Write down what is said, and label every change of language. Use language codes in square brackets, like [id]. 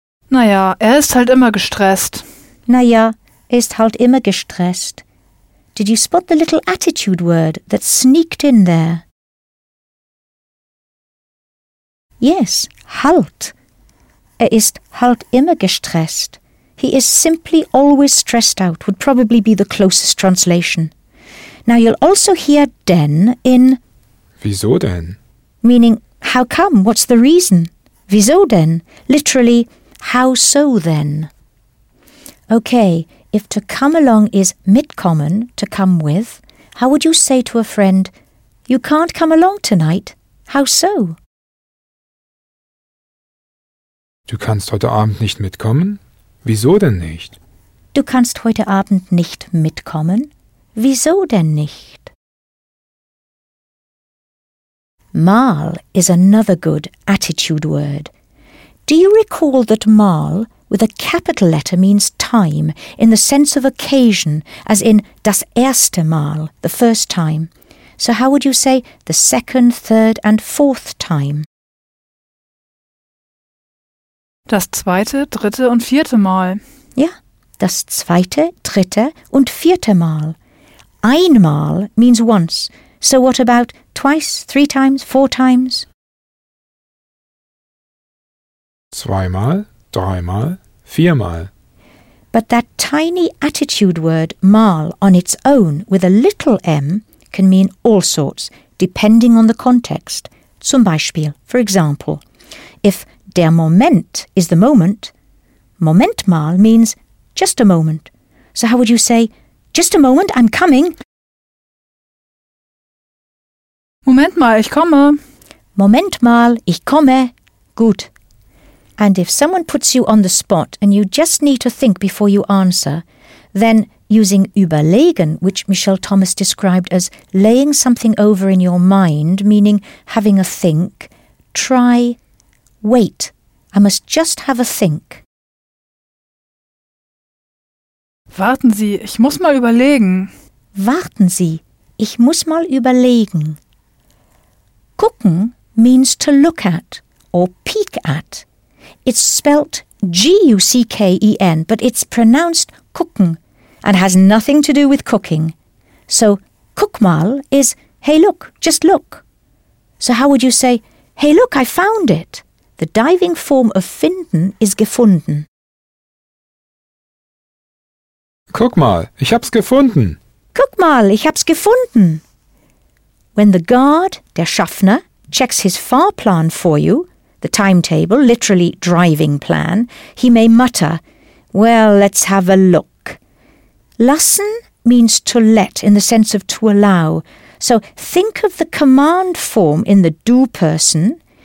[de] Na ja, ist halt immer gestresst. Na ja, ist halt immer gestresst. [en] Did you spot the little attitude word that sneaked in there? Yes, halt. [de] Ist halt immer gestresst. [en] He is simply always stressed out, would probably be the closest translation. Now you'll also hear denn in [de] wieso denn? [en] Meaning, how come, what's the reason? [de] Wieso denn? [en] Literally, how so then? Okay, if to come along is mitkommen, to come with, how would you say to a friend, you can't come along tonight, how so? [de] Du kannst heute Abend nicht mitkommen? Wieso denn nicht? Du kannst heute Abend nicht mitkommen? Wieso denn nicht? [en] Mal is another good attitude word. Do you recall that mal with a capital letter means time in the sense of occasion, as in [de] das erste Mal, [en] the first time? So how would you say the second, third and fourth time? [de] Das zweite, dritte und vierte Mal. Ja, das zweite, dritte und vierte Mal. [en] Einmal means once. So what about twice, three times, four times? [de] Zweimal, dreimal, viermal. [en] But that tiny attitude word mal on its own with a little m can mean all sorts, depending on the context. [de] Zum Beispiel, [en] for example, if der Moment is the moment. Moment mal means just a moment. So how would you say, just a moment, I'm coming. [de] Moment mal, ich komme. Moment mal, ich komme. Gut. [en] And if someone puts you on the spot and you just need to think before you answer, then using überlegen, which Michelle Thomas described as laying something over in your mind, meaning having a think, try wait. I must just have a think. [de] Warten Sie, ich muss mal überlegen. Warten Sie, ich muss mal überlegen. [en] Gucken means to look at or peek at. It's spelt G-U-C-K-E-N, but it's pronounced gucken and has nothing to do with cooking. So, guck mal is, hey look, just look. So how would you say, hey look, I found it? The diving form of finden is gefunden. [de] Guck mal, ich hab's gefunden. Guck mal, ich hab's gefunden. [en] When the guard, der Schaffner, checks his Fahrplan for you, the timetable, literally driving plan, he may mutter, well, let's have a look. Lassen means to let in the sense of to allow. So think of the command form in the du person.